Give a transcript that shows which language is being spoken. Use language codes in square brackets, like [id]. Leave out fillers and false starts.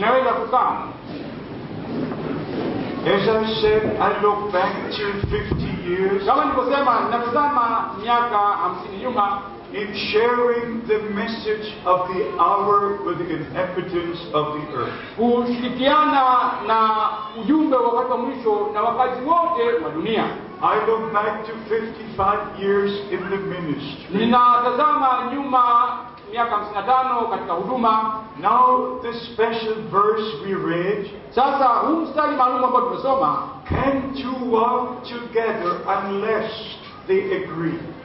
[sw] Naweza kukaa. [en] As I said, I look back to 50 years. [sw] Kama nilivyosema, natazama miaka 50 nyuma. [en] In sharing the message of the hour with the inhabitants of the earth. [sw] Kushirikiana na ujumbe wa wakati wa mwisho na wakazi wote wa dunia. [en] I look back to 55 years in the ministry. [sw] Ninatazama nyuma miaka 55 katika huduma. [en] Now the special verse we read. [sw] Sasa huu mstari maalum ambao tumesoma. [en] Can two walk together unless they agree?